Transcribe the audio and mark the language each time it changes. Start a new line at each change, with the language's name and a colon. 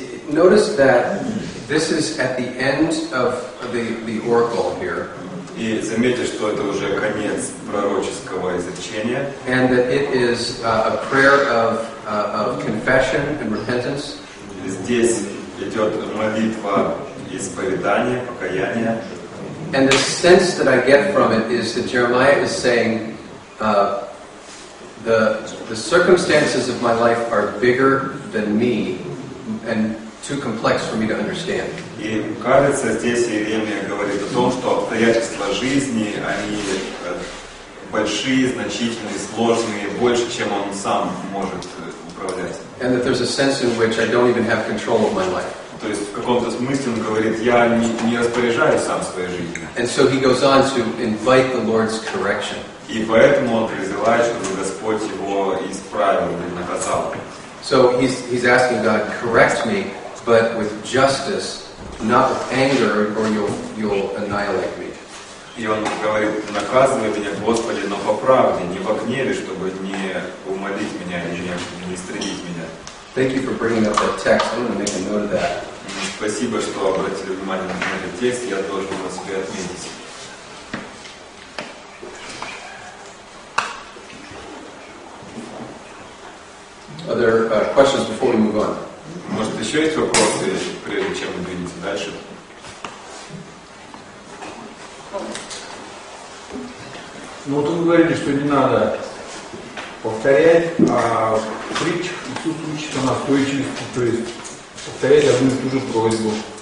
English: Notice that this is at the end of the oracle here.
Russian: И заметьте, что это уже конец пророческого изречения.
English: And that it is a prayer of confession and repentance.
Russian: Здесь идет молитва исповедания, покаяния.
English: And the sense that I get from it is that Jeremiah is saying, the circumstances of my life are bigger than me, and too complex for me to understand.
Russian: И кажется, здесь Иеремия говорит о том, что обстоятельства жизни, они большие, значительные, сложные, больше, чем он сам может управлять.
English: And that there's a sense in which I don't even have control of my life.
Russian: То есть в каком-то смысле он говорит, я не распоряжаюсь сам своей жизнью.
English: And so he goes on to invite the Lord's correction.
Russian: И поэтому он призывает, чтобы Господь его исправил и наказал.
English: So he's asking God, correct me, but with justice, not with anger, or you'll annihilate me.
Russian: И он говорит, наказывай меня, Господи, но по правде, не в гневе, чтобы не умолить меня или не истребить меня.
English: Thank you for bringing up that text. I'm going to make a note of that.
Russian: Спасибо, что обратили внимание на этот текст. Я должен его себе отметить.
English: Are there questions before we move on?
Russian: Может, еще есть вопросы, прежде чем мы двинемся дальше? Ну, вот вы говорите, что не надо повторять, а в притчах Иисус учит о настойчивости, то есть повторять одну и ту же просьбу.